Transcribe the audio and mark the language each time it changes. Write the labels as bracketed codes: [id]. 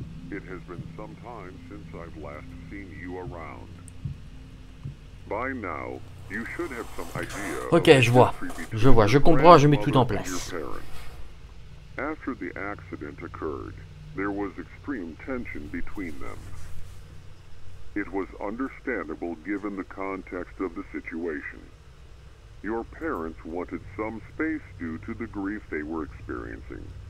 [en] It has been some time since I've last seen you around. By now, you should have some idea. [fr] Ok, je vois. Je vois, je comprends, je mets tout en place. [en] After the accident occurred, there was extreme tension between them. It was understandable given the context of the situation. Your parents wanted some space due to the grief they were experiencing.